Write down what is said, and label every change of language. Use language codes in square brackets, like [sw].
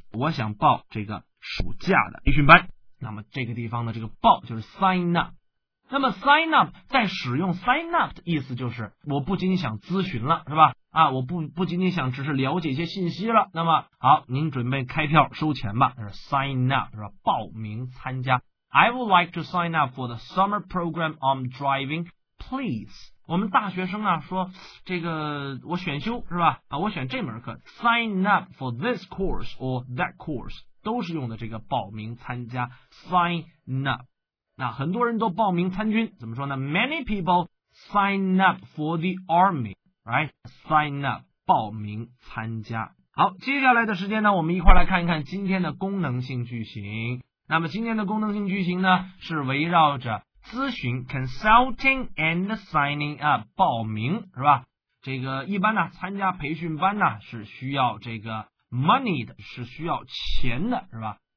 [zh] 我想报这个暑假的培训班。那么这个地方的这个报就是 sign up。那么 sign up 在使用 sign up 的意思就是我不仅仅想咨询了，是吧？啊，我不仅仅想只是了解一些信息了，那么好，您准备开票收钱吧，就是 sign up， 是吧？报名参加。 [en] I would like to sign up for the summer program on driving please。 [zh] 我们大学生啊说这个我选修，是吧？啊，我选这门课。 [en] sign up for this course or that course [zh] 都是用的这个报名参加 sign up。那很多人都报名参军，怎么说呢？ [en] many people sign up for the army, right? [zh] sign up 报名参加。好，接下来的时间呢，我们一块来看一看今天的功能性句型。那么今天的功能性句型呢是围绕着咨询 [en] consulting and signing up [zh] 报名，是吧？这个一般呢参加培训班呢是需要这个Money 的，是需要钱的，是吧？